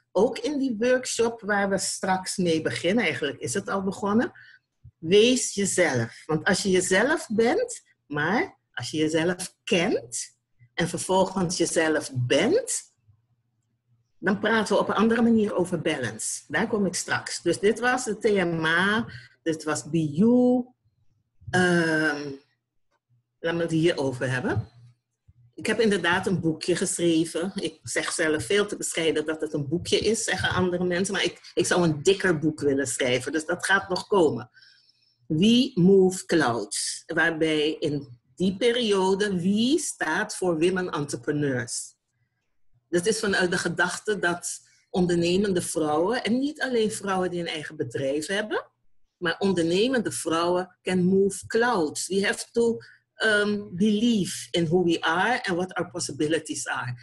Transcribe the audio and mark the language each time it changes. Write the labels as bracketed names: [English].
[Dutch] Ook in die workshop waar we straks mee beginnen, eigenlijk is het al begonnen. Wees jezelf. Want als je jezelf bent, maar als je jezelf kent en vervolgens jezelf bent, dan praten we op een andere manier over balance. Daar kom ik straks. Dus dit was de TMA, dit was Be You. Laten we het hierover hebben. Ik heb inderdaad een boekje geschreven. Ik zeg zelf veel te bescheiden dat het een boekje is, zeggen andere mensen. Maar ik zou een dikker boek willen schrijven, dus dat gaat nog komen. We Move Clouds, waarbij in die periode we staat voor women entrepreneurs. Dat is vanuit de gedachte dat ondernemende vrouwen, en niet alleen vrouwen die een eigen bedrijf hebben, maar ondernemende vrouwen [English] can move clouds. We have to believe in who we are and what our possibilities are.